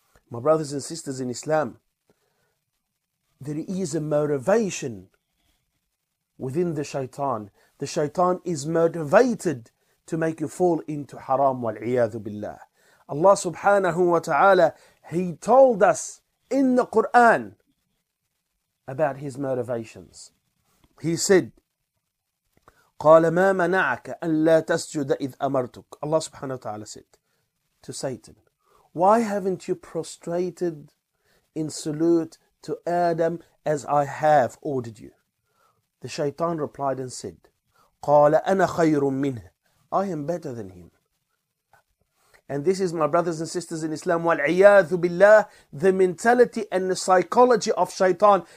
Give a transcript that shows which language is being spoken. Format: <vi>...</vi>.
<en>My brothers and sisters in Islam, there is a motivation within the shaitan. The shaitan is motivated to make you fall into haram, wal-iyadhu billah. Allah subhanahu wa ta'ala, He told us in the Quran about his motivations.</en> <ar>He said, قَالَ مَا مَنَعَكَ أَن لَا تَسْجُدَ إِذْ أَمَرْتُكَ.</ar> <en>Allah subhanahu wa ta'ala said to Satan, why haven't you prostrated in salute to Adam as I have ordered you? The shaitan replied and said, قَالَ أَنَا خَيْرٌ مِّنْهِ. I am better than him. And this is, my brothers and sisters in Islam, wal-iyadhu billah, the mentality and the psychology of shaitan.</en>